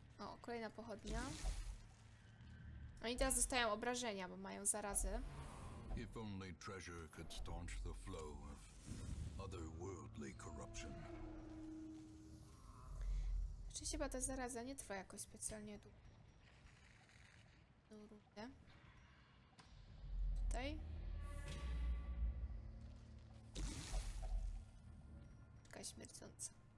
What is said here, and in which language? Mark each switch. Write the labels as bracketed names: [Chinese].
[Polish] O, kolejna pochodnia. Oni teraz dostają obrażenia, bo mają zarazy. [English] If only treasure could staunch the flow of otherworldly corruption. [Polish] Czy się ta zaraza nie trwa jakoś specjalnie długo? Tutaj. Taka śmierdząca.